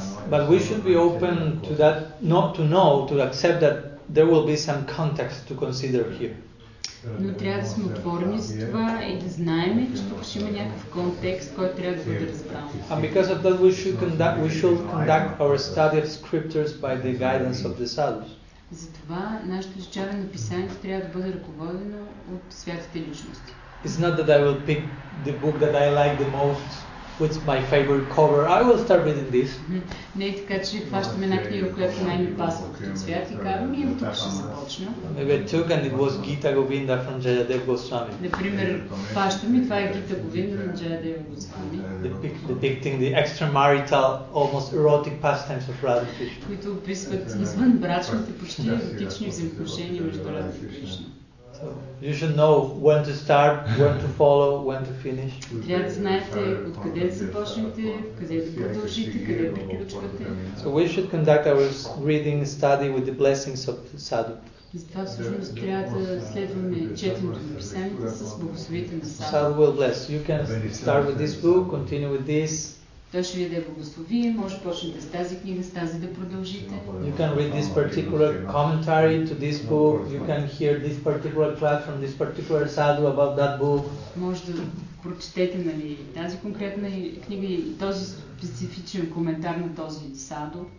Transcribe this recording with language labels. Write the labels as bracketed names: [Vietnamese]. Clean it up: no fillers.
[English] But we should be open to that, not to know, to accept that there will be some context to consider here. [Bulgarian] Но трябва да сме отворени за това и да знаем, че тук ще има някакъв контекст, който трябва да бъде разбран. [English] And because of that, we should conduct our study of scriptures by the guidance of the sadhus. [Bulgarian] Затова нашето изучаване на писанието трябва да бъде ръководено от святите личности. [English] It's not that I will pick the book that I like the most. What's my favorite cover? I will start reading this. [Bulgarian] Не, така че хващаме една книга, която най-ми пасва като цвят и казвам, и тук ще започна. [English] Maybe I took and it was Gita Govinda from Jayadev Goswami. [Bulgarian] Например, хващам и това е [English] Gita Govinda from Jayadev Goswami. Depicting the extramarital, almost erotic pastimes of Radha Krishna. [Bulgarian] Които описват извън брачните, почти еротични взаимоотношения между Радха и Кришна. [English] So you should know when to start, when to follow, when to finish. [Bulgarian] Трябва да знаете откъде да започнете, къде да продължите, къде да приключвате. [English] So we should conduct our reading study with the blessings of the sadhu. [Bulgarian] Затова всъщност трябва да следваме четенето на писанието с благословията на [English] sadhu. Sadhu will bless. You can start with this book, continue with this. [Bulgarian] Той ще ви даде благословие, може да почнете с тази книга, с тази да продължите. [English] You can read this particular commentary to this book, you can hear this particular class from this particular sadhu about that book. [Bulgarian] Може да прочетете, нали, тази конкретна книга и този специфичен коментар на този sadhu.